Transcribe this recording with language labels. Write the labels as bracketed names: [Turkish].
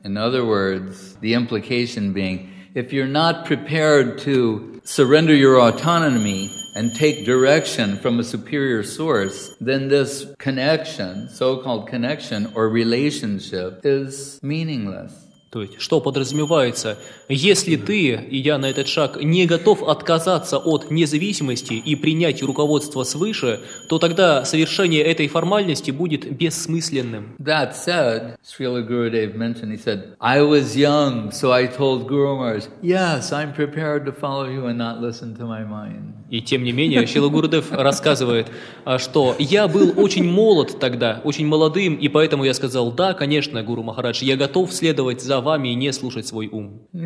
[English] In other words, the implication being, if you're not prepared to surrender your autonomy, and take direction from a superior source, then this connection, so-called connection or relationship, is meaningless. [Russian] То есть, что подразумевается, если ты, идя на этот шаг, не готов отказаться от независимости и принять руководство свыше, то тогда совершение этой формальности будет бессмысленным. [English] That said, Srila Gurudev mentioned, he said, I was young, so I told Guru Maharaj, yes, I'm prepared to follow you and not listen to my mind. [Russian] И тем не менее, Шрила Гурудев рассказывает, что я был очень молод тогда, очень молодым, и поэтому я сказал, да, конечно, Гуру Махарадж, я готов следовать за вами и не слушать свой ум.